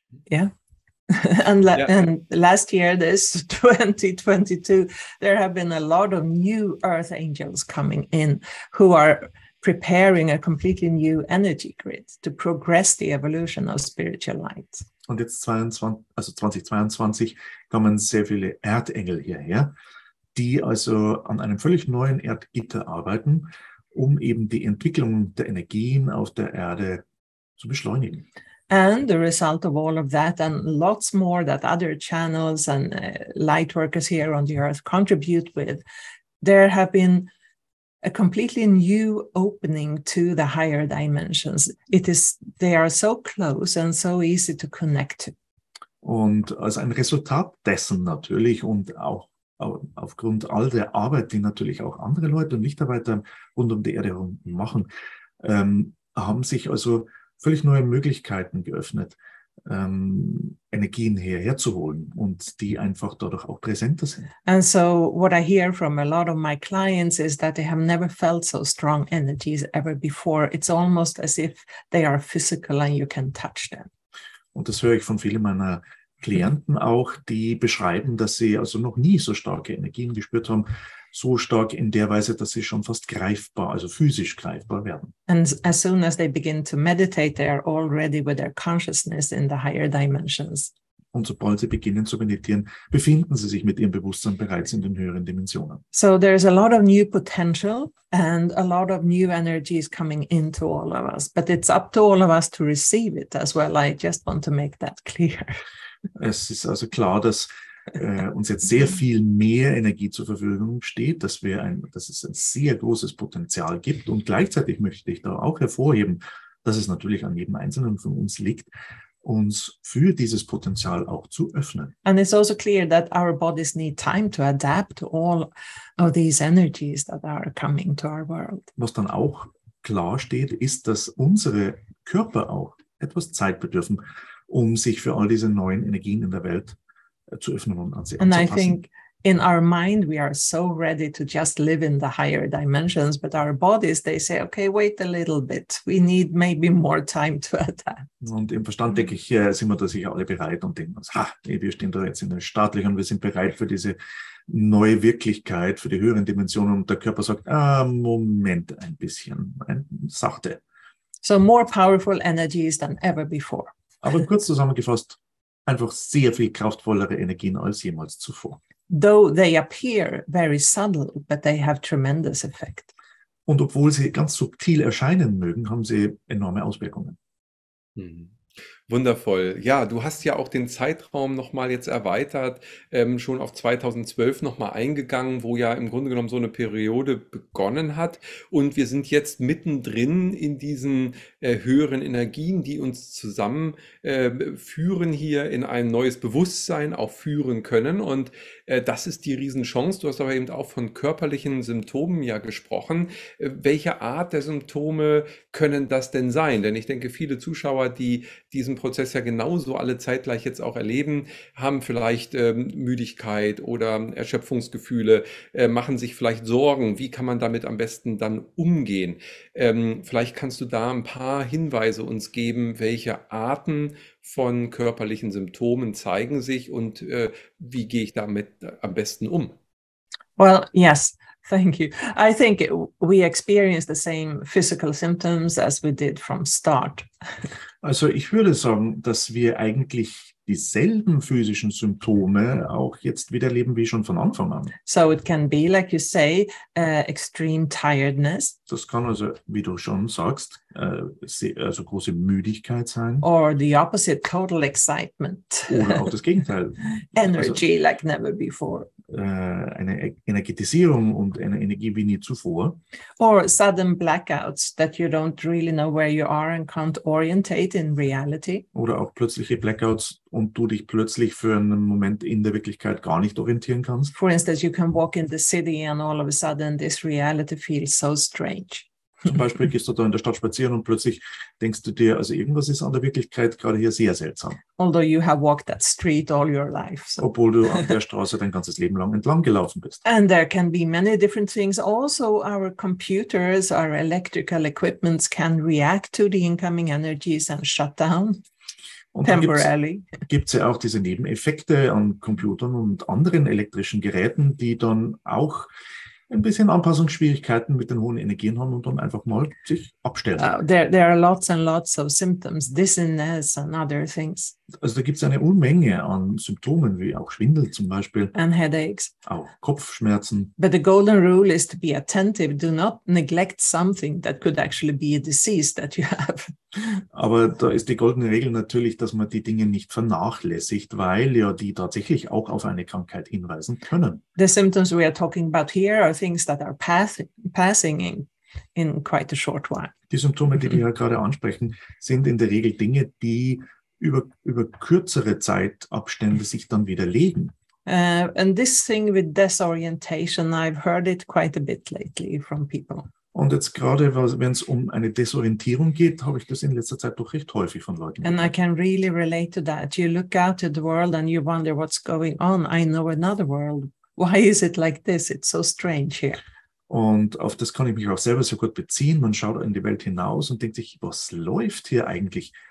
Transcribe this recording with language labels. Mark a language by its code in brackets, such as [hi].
[en] And last year, this 2022, there have been a lot of new earth angels coming in who are preparing a completely new energy grid to progress the evolution of spiritual light. [de] Und jetzt 2022 kommen sehr viele Erdengel hierher, die also an einem völlig neuen Erdgitter arbeiten, um eben die Entwicklung der Energien auf der Erde zu beschleunigen. [en] And the result of all of that and lots more that other channels and lightworkers here on the earth contribute with, there have been a completely new opening to the higher dimensions. They are so close and so easy to connect. [de] Und als ein Resultat dessen natürlich und auch aufgrund all der Arbeit, die natürlich auch andere Leute und Lichtarbeiter rund um die Erde machen, haben sich also völlig neue Möglichkeiten geöffnet, Energien herzuholen und die einfach dadurch auch präsenter sind. [en] And so what I hear from a lot of my clients is that they have never felt so strong energies ever before. It's almost as if they are physical and you can touch them. [de] Und das höre ich von vielen meiner Klienten auch, die beschreiben, dass sie also noch nie so starke Energien gespürt haben, so stark in der Weise, dass sie schon fast greifbar, also physisch greifbar werden. [en] And as soon as they begin to meditate, they are already with their consciousness in the higher dimensions. [de] Und sobald sie beginnen zu meditieren, befinden sie sich mit ihrem Bewusstsein bereits in den höheren Dimensionen. [en] So there is a lot of new potential and a lot of new energies coming into all of us, but it's up to all of us to receive it as well. I just want to make that clear. [de] Es ist also klar, dass uns jetzt sehr viel mehr Energie zur Verfügung steht, dass es ein sehr großes Potenzial gibt. Und gleichzeitig möchte ich da auch hervorheben, dass es natürlich an jedem Einzelnen von uns liegt, uns für dieses Potenzial auch zu öffnen. [en] And it's also clear that our bodies need time to adapt to all of these energies that are coming to our world. [de] Was dann auch klar steht, ist, dass unsere Körper auch etwas Zeit bedürfen, um sich für all diese neuen Energien in der Welt zu öffnen und an sie anzupassen. [en] And I think in our mind we are so ready to just live in the higher dimensions, but our bodies, they say, okay, wait a little bit, we need maybe more time to adapt. [de] Und im Verstand, denke ich, sind wir da sicher alle bereit und denken uns, ha, wir stehen da jetzt in den Startlöchern, wir sind bereit für diese neue Wirklichkeit, für die höheren Dimensionen. Und der Körper sagt, Moment, ein bisschen, sachte. [en] So more powerful energies than ever before. [de] Aber kurz zusammengefasst, einfach sehr viel kraftvollere Energien als jemals zuvor. [en] Though they appear very subtle, but they have tremendous effect. [de] Und obwohl sie ganz subtil erscheinen mögen, haben sie enorme Auswirkungen. Wundervoll. Ja, du hast ja auch den Zeitraum nochmal jetzt erweitert, schon auf 2012 nochmal eingegangen, wo ja im Grunde genommen so eine Periode begonnen hat. Und wir sind jetzt mittendrin in diesen höheren Energien, die uns zusammen führen hier in ein neues Bewusstsein auch führen können. Und das ist die Riesenchance. Du hast aber eben auch von körperlichen Symptomen ja gesprochen. Welche Art der Symptome können das denn sein? Denn ich denke, viele Zuschauer, die diesen Prozess ja genauso alle zeitgleich jetzt auch erleben, haben vielleicht Müdigkeit oder Erschöpfungsgefühle, machen sich vielleicht Sorgen. Wie kann man damit am besten dann umgehen? Vielleicht kannst du da ein paar Hinweise uns geben, welche Arten von körperlichen Symptomen zeigen sich und wie gehe ich damit am besten um? [en] Well, yes. Thank you. I think we experience the same physical symptoms as we did from start. [de] Also ich würde sagen, dass wir eigentlich dieselben physischen Symptome auch jetzt wieder erleben wie schon von Anfang an. [en] So it can be, like you say, extreme tiredness. [de] Das kann also, wie du schon sagst, also große Müdigkeit sein. [en] Or the opposite, total excitement. [de] Oder auch das Gegenteil. [en] Energy also, like never before. [de] Eine Energetisierung und eine Energie wie nie zuvor. [en] Or sudden blackouts that you don't really know where you are and can't orientate in reality. [de] Oder auch plötzliche Blackouts und du dich plötzlich für einen Moment in der Wirklichkeit gar nicht orientieren kannst. [en] For instance, you can walk in the city and all of a sudden this reality feels so strange. [de] Zum Beispiel gehst du da in der Stadt spazieren und plötzlich denkst du dir, also irgendwas ist an der Wirklichkeit gerade hier sehr seltsam. [en] Although you have walked that street all your life. So. [de] Obwohl du auf der Straße dein ganzes Leben lang entlang gelaufen bist. [en] And there can be many different things. Also our computers, our electrical equipments can react to the incoming energies and shut down. Und temporarily. [de] Gibt es ja auch diese Nebeneffekte an Computern und anderen elektrischen Geräten, die dann auch ein bisschen Anpassungsschwierigkeiten mit den hohen Energien haben und dann einfach mal sich abstellen. [en] There are lots and lots of symptoms, dizziness and other things. [de] Also da gibt es eine Unmenge an Symptomen, wie auch Schwindel zum Beispiel. [en] And headaches. [de] Auch Kopfschmerzen. [en] But the golden rule is to be attentive. Do not neglect something that could actually be a disease that you have. [de] Aber da ist die goldene Regel natürlich, dass man die Dinge nicht vernachlässigt, weil ja die tatsächlich auch auf eine Krankheit hinweisen können. [en] The symptoms we are talking about here are things that are passing in quite a short while. [de] Die Symptome, die wir ja gerade ansprechen, sind in der Regel Dinge, die über kürzere Zeitabstände sich dann widerlegen. [en] And this thing with disorientation, I've heard it quite a bit lately from people. [de] Und jetzt gerade, wenn es um eine Desorientierung geht, habe ich das in letzter Zeit doch recht häufig von Leuten gehört. [en] And I can really relate to that. You look out at the world and you wonder what's going on. I know another world. Why is it like this? It's so strange here. [de] Und auf das kann ich mich auch selber so gut beziehen. Man schaut in die Welt hinaus und denkt sich, was läuft hier eigentlich?